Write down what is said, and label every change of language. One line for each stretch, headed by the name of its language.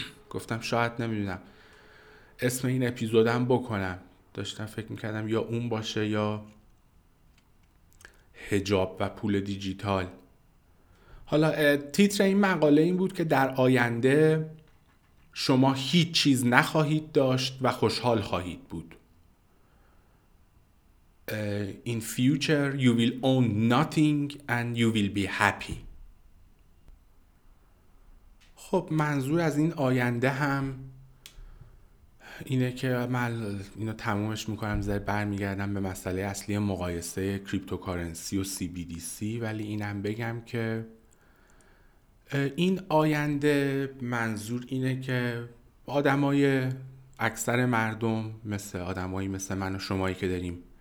Persian: گفتم شاید نمیدونم اسم این اپیزودم بکنم، داشتم فکر میکردم یا اون باشه یا حجاب و پول دیجیتال. حالا تیتر این مقاله این بود که در آینده شما هیچ چیز نخواهید داشت و خوشحال خواهید بود.
English: In future you will own nothing and you will be happy.
Persian: خب منظور از این آینده هم اینه که من اینو تمومش میکنم، زیر برمیگردم به مسئله اصلی مقایسه کریپتوکارنسی و CBDC، ولی اینم بگم که این آینده منظور اینه که آدمای اکثر مردم، مثل آدمایی مثل من و شمایی که داریم